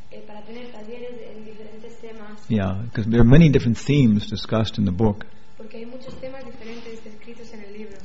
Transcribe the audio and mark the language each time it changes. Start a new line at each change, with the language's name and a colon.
Spanish: Para tener talleres en diferentes temas.
English: Yeah, because there are many different themes discussed in the book.
Spanish: Porque hay muchos temas diferentes descritos en el libro.